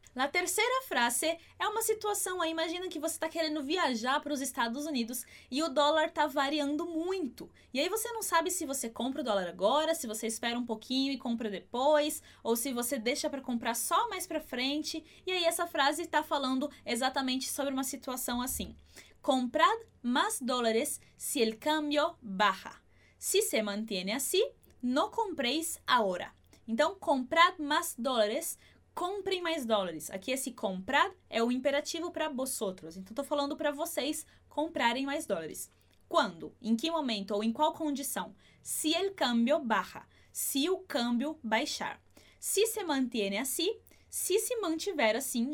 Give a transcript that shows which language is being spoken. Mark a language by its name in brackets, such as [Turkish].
[Portuguese] Na terceira frase, é uma situação aí, imagina que você está querendo viajar para os Estados Unidos e o dólar está variando muito. E aí você não sabe se você compra o dólar agora, se você espera um pouquinho e compra depois, ou se você deixa para comprar só mais para frente. E aí essa frase está falando exatamente sobre uma situação assim. [Spanish] Comprad más dólares si el cambio baja. Si se mantiene así, no compréis ahora. Então, comprad más dólares... [Portuguese] Comprem mais dólares. Aqui esse comprar é o imperativo para vosotros. Então, estou falando para vocês comprarem mais dólares. Quando? Em que momento ou em qual condição? [Spanish] Si el cambio baja. [Portuguese] Si o câmbio baixar. [Spanish] Si se mantiene así. [Portuguese] Si se mantiver assim.